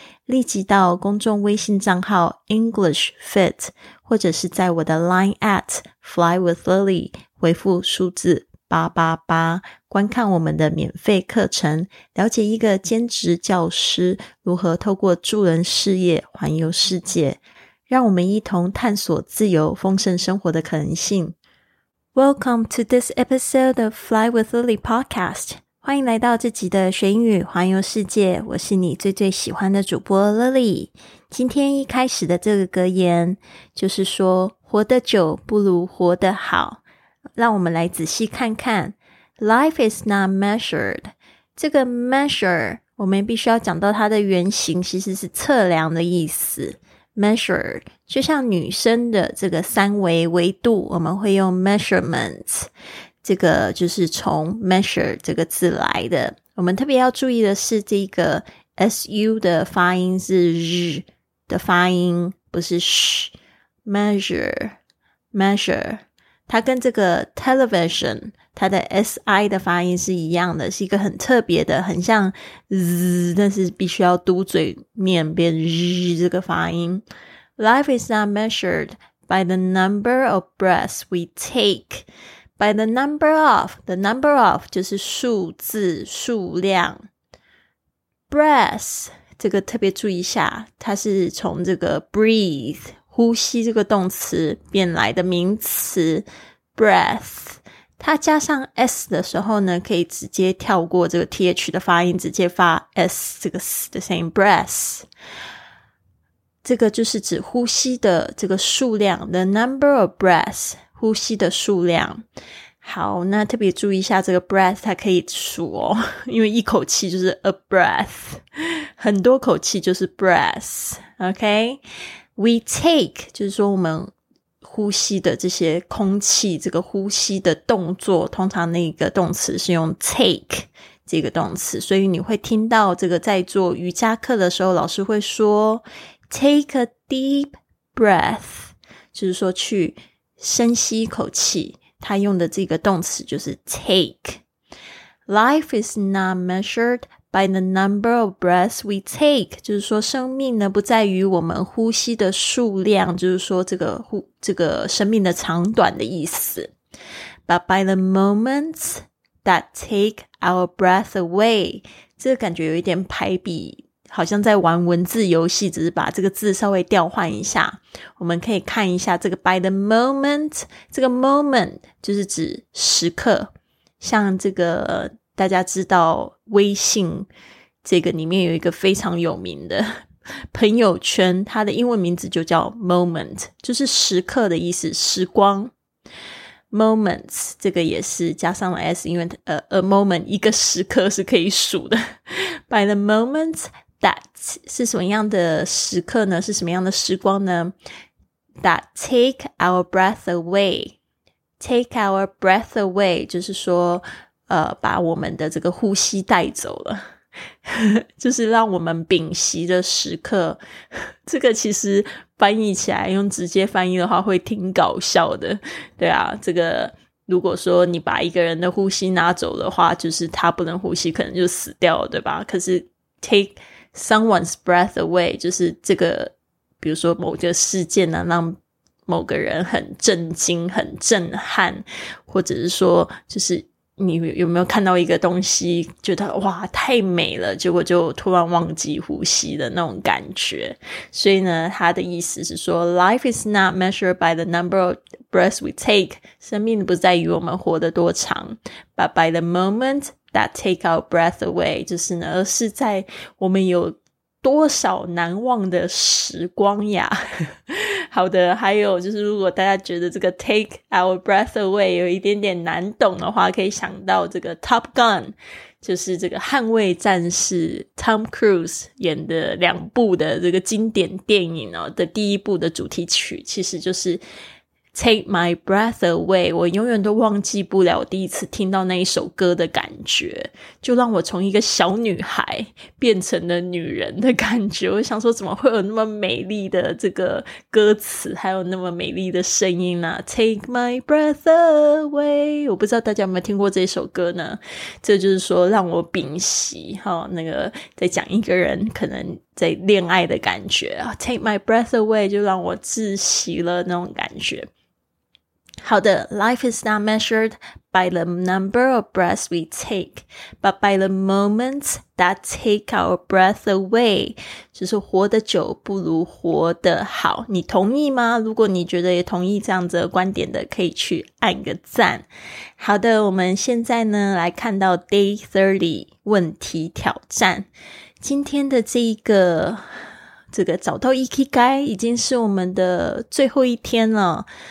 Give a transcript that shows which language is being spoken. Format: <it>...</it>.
<zh>立即到公众微信账号 EnglishFit 或者是在我的 Line at FlyWithLily 回复数字888，观看我们的免费课程，了解一个兼职教师如何透过助人事业环游世界，让我们一同探索自由丰盛生活的可能性。</zh> <en>Welcome to this episode of Fly with Lily podcast.</en> <zh>欢迎来到这集的学英语环游世界，我是你最最喜欢的主播 Lily。今天一开始的这个格言就是说，活得久不如活得好。让我们来仔细看看</zh> <en>Life is not measured。</en> <zh>这个 measure 我们必须要讲到它的原型，其实是测量的意思。 measure 就像女生的这个三维维度，我们会用 measurement， 这个就是从 measure 这个字来的。我们特别要注意的是，这个 SU 的发音是 R 的发音，不是 SH。 measure measure它跟这个 television 它的 SI 的发音是一样的，是一个很特别的，很像 Z， 但是必须要嘟嘴面变 Z 这个发音。</zh> <en>Life is not measured by the number of breaths we take, by the number of, the number of</en> <zh>就是数字数量。 Breaths 这个特别注意一下，它是从这个 breathe呼吸这个动词变来的名词 breath， 它加上 s 的时候呢，可以直接跳过这个 th 的发音，直接发 s 这个 s 的声音 breath。这个就是指呼吸的这个数量， the number of breaths， 呼吸的数量。好，那特别注意一下这个 breath， 它可以数哦，因为一口气就是 a breath， 很多口气就是 breath。 OK，We take 就是说我们呼吸的这些空气，这个呼吸的动作，通常那个动词是用 take 这个动词，所以你会听到这个在做瑜伽课的时候，老师会说</zh> <en>take a deep breath，</en> <zh>就是说去深吸一口气，他用的这个动词就是 take。</zh> <en>Life is not measured by the number of breaths we take，</en> <zh>就是说生命呢不在于我们呼吸的数量，就是说这个生命的长短的意思，</zh> <en>but by the moments that take our breath away。</en> <zh>这个感觉有一点排比，好像在玩文字游戏，只是把这个字稍微调换一下。我们可以看一下这个 by the moment， 这个 moment 就是指时刻，像这个大家知道微信这个里面有一个非常有名的朋友圈，他的英文名字就叫 moment， 就是时刻的意思，时光。 moments 这个也是加上了 s， 因为a moment 一个时刻是可以数的。 By the moment that 是什么样的时刻呢？是什么样的时光呢？</zh> <en>That take our breath away，</en> <zh>take our breath away 就是说把我们的这个呼吸带走了。就是让我们屏息的时刻，这个其实翻译起来，用直接翻译的话会挺搞笑的。对啊，这个如果说你把一个人的呼吸拿走的话，就是他不能呼吸，可能就死掉了，对吧？可是</zh> <en>take someone's breath away，</en> <zh>就是这个比如说某个事件呢，让某个人很震惊很震撼，或者是说就是你有没有看到一个东西觉得哇太美了，结果就突然忘记呼吸的那种感觉。所以呢，他的意思是说</zh> <en>Life is not measured by the number of breaths we take，</en> <zh>生命不在于我们活得多长，</zh> <en>But by the moment that take our breath away，</en> <zh>就是呢，而是在我们有多少难忘的时光呀。好的，还有就是如果大家觉得这个</zh> <en>take our breath away</en> <zh>有一点点难懂的话，可以想到这个 Top Gun， 就是这个捍卫战士 Tom Cruise 演的两部的这个经典电影哦，的第一部的主题曲其实就是</zh> <en>take my breath away，</en> <zh>我永远都忘记不了第一次听到那一首歌的感觉，就让我从一个小女孩变成了女人的感觉。我想说怎么会有那么美丽的这个歌词，还有那么美丽的声音呢？</zh> <en>Take my breath away，</en> <zh>我不知道大家有没有听过这首歌呢。这就是说让我屏息、哦、那个在讲一个人可能在恋爱的感觉，</zh> <en>Take my breath away</en> <zh>就让我窒息了那种感觉。</zh> <en>好的， Life is not measured by the number of breaths we take, but by the moments that take our breath away.</en> <zh>就是活得久不如活得好。你同意吗？如果你觉得也同意这样子的观点的，可以去按个赞。好的，我们现在呢，来看到 Day 30 问题挑战。今天的这个找到 Ikigai 已经是我们的最后一天了。</zh>